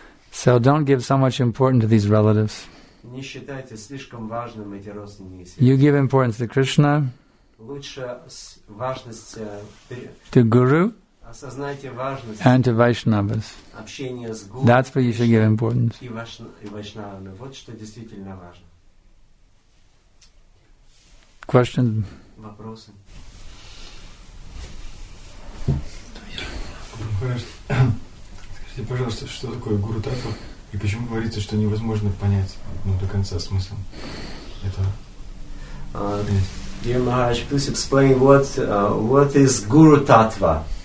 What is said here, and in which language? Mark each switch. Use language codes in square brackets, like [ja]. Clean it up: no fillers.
[en] So don't give so much importance to these relatives. You give importance to Krishna, to Guru, and to Vaishnavas. That's where you should give importance. [ru] И Вайшнавами. Вот что действительно важно. [en] question. [ru] Вопросы. Скажите, пожалуйста, что такое гуру-татва и почему говорится, что невозможно понять до конца смысл этого? [en] Dear Maharaj, please explain what is guru-татва.